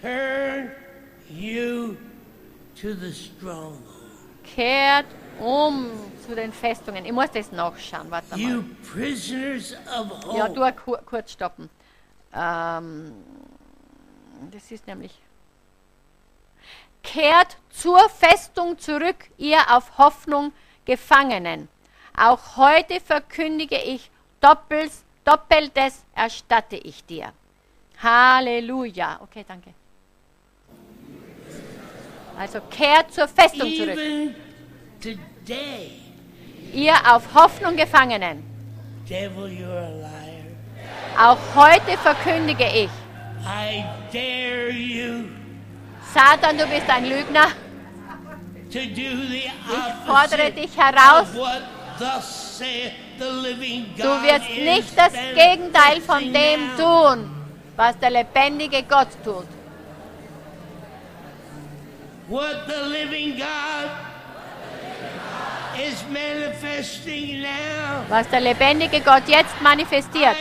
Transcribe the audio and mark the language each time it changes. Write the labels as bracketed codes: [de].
[en] Turn you to the stronghold. [de] Kehrt um zu den Festungen. Ich muss das nachschauen. Warte mal. [en] You prisoners of hope. [de] Ja, du kurz stoppen. Das ist nämlich, kehrt zur Festung zurück, ihr auf Hoffnung Gefangenen. Auch heute verkündige ich, Doppeltes erstatte ich dir. Halleluja. Okay, danke. Also kehrt zur Festung zurück. [en] Even today, [de] ihr auf Hoffnung Gefangenen. [en] Devil, you're a liar. [de] Auch heute verkündige ich, [en] I dare you, [de] Satan, du bist ein Lügner. [en] To do the [de] ich fordere dich heraus. [en] What thus saith the living God, [de] du wirst nicht das Gegenteil von dem tun, was der lebendige Gott tut. [en] What the living God is manifesting now, [de] was der lebendige Gott jetzt manifestiert.